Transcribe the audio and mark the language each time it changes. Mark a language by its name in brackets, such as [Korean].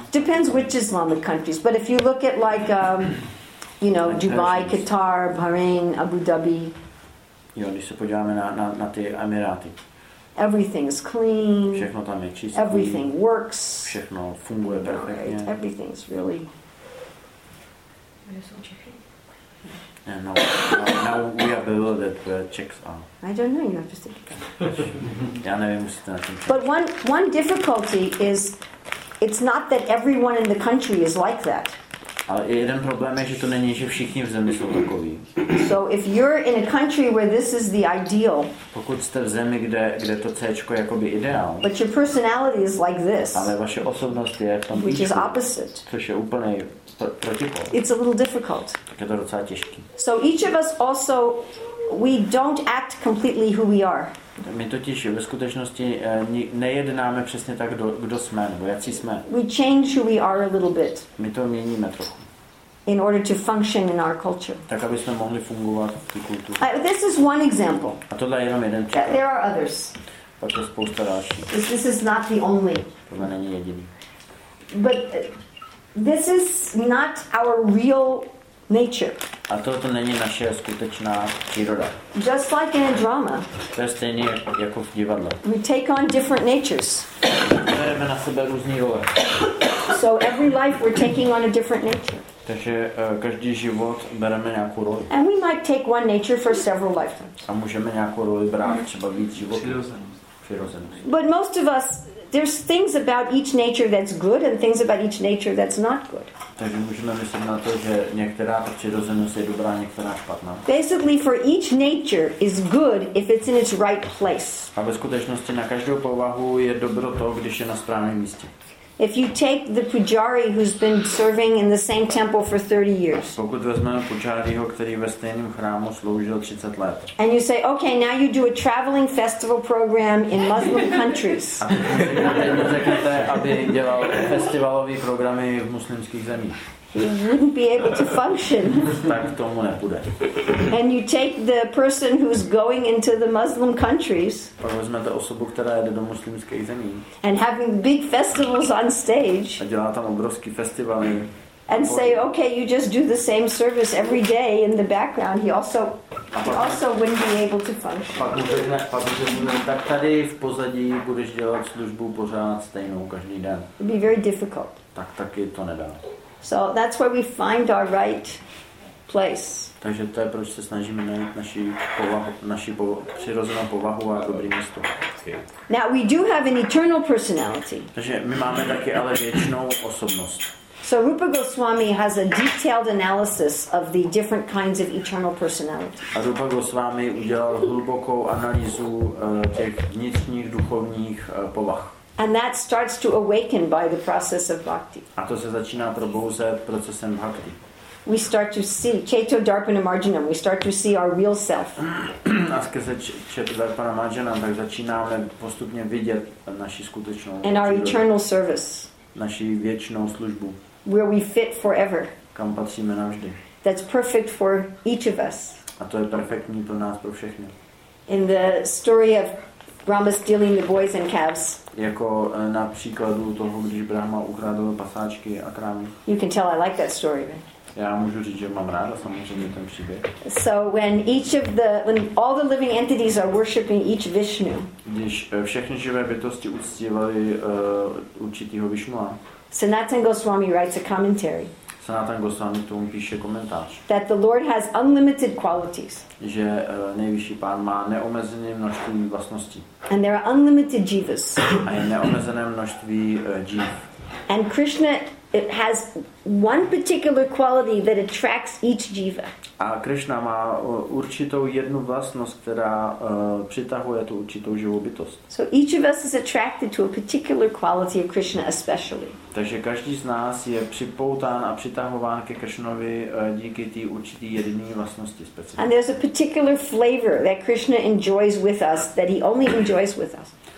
[English] Depends which Islamic countries, but if you look at like you know, Dubai, Qatar, Bahrain, Abu Dhabi, [Czech] jo, když se podíváme na ty Emiráty. [English] Everything is clean. [Czech] Všechno tam je čisté. [English] Everything works. [Czech] Všechno funguje perfektně. [English] Right. Everything is really. Yeah, no, now we are below that where Czechs are. I don't know. You have to think. [Czech] Já nevím, musíte na tím. [English] But one difficulty is, it's not that everyone in the country is like that. [Czech] Ale jeden problém je, že to není, že všichni v zemi jsou takoví. [English] So if you're in a country where this is the ideal. [Czech] Pokud jste v zemi, kde to Cčko je jakoby ideál. [English] But your personality is like this. [Czech] Ale vaše osobnost je v tom [English] Which is opposite. [Czech] Což je úplně protipol. [English] It's a little difficult. [Czech] Tak je to docela těžký. [English] So each of us also we don't act completely who we are. [Czech] My totiž ve skutečnosti nejednáme přesně tak, kdo jsme, nebo jací jsme. [English] We change who we are a little bit. [Czech] My to měníme trochu. [English] In order to function in our culture. [Czech] Tak, aby jsme mohli fungovat v té kultuře. [English] This is one example. [Czech] A tohle je jenom jeden [English] příklad. There are others. [Czech] Pak je spousta dalších. [English] This is not the only. [Czech] Tohle není jediný. [English] But this is not our real nature. [Czech] A to není naše skutečná příroda. [English] Just like in a drama. [Czech] To je stejně jako v divadle. [English] We take on different natures. [Czech] Bereme na sebe různé role. [English] So every life we're taking on a different nature. [Czech] Takže každý život bereme nějakou roli. [English] And we might take one nature for several lifetimes. [Czech] A můžeme nějakou roli brát třeba víc životů. Přirozenost. [English] But most of us, there's things about each nature that's good and things about each nature that's not good. [Czech] Takže můžeme myslet na to, že některá přirozenost je dobrá, některá špatná. [English] Basically, for each nature is good if it's in its right place. [Czech] A ve skutečnosti na každou povahu je dobro to, když je na správném místě. [English] If you take the pujari who's been serving in the same temple for 30 years. [Czech] Pokud vezmeme pujariho, který ve stejném chrámu sloužil 30 let. [English] And you say, okay, now you do a traveling festival program in Muslim countries. [Czech] Řeknete, aby dělal festivalové programy v muslimských zemích. [English] He wouldn't be able to function. [Czech] Tak tomu nebude. [English] And you take the person who's going into the Muslim countries. [Czech] Pak vezmete osobu, která jede do muslimské země. [English] And having big festivals on stage. [Czech] A dělá tam obrovský festivaly. [English] And say, okay, you just do the same service every day in the background. He also wouldn't be able to function. [Czech] Pak mu řekne, tak tady v pozadí budeš dělat službu pořád stejnou každý den. [English] It'd be very difficult. [Czech] Tak taky to nedá. [English] So that's where we find our right place. [Czech] Takže to je, proč se snažíme najít naši přirozenou povahu a dobrý místo. [English] Now we do have an eternal personality. [Czech] Takže my máme taky ale věčnou osobnost. [English] So Rupa Goswami has a detailed analysis of the different kinds of eternal personality. [Czech] A Rupa Goswami udělal hlubokou analýzu těch vnitřních duchovních povah. [English] And that starts to awaken by the process of bhakti. [Czech] A to se začíná probouzet procesem bhakti. [English] We start to see Cheto Darpana Marjanam. We start to see our real self. [Czech] A skrze Cheto Darpana Marjanam tak začínáme postupně vidět naši skutečnou. [English] And our eternal service. [Czech] Naši věčnou službu. [English] Where we fit forever. [Czech] Kam patříme navždy. [English] That's perfect for each of us. [Czech] A to je perfektní pro nás pro všechny. [English] In the story of Brahma stealing the boys and calves. [Czech] Jako na příkladu toho, když Brahma ukradl pasáčky a krávy. [English] You can tell I like that story. [Czech] Já můžu říct, že mám ráda samozřejmě ten příběh. [English] So when all the living entities are worshiping each Vishnu. [Czech] Když všechny živé bytosti uctívaly určitýho Vishnua. [English] Sanatan Goswami writes a commentary. [Czech] Sanatan Goswami tomu píše komentář. [English] That the Lord has unlimited qualities. [Czech] Že nejvyšší pán má neomezené množství vlastností. [English] And there are unlimited jivas. [Czech] A je neomezené množství jiv. [English] And Krishna has one particular quality that attracts each jiva. [Czech] A Krishna má určitou jednu vlastnost, která přitahuje tu určitou živou bytost. [English] So each of us is attracted to a particular quality of Krishna especially. [Czech] Takže každý z nás je připoután a přitahován ke Krishnovi díky té určité jediné vlastnosti speciální. [English] And there's a particular flavor that Krishna enjoys with us that he only enjoys with us.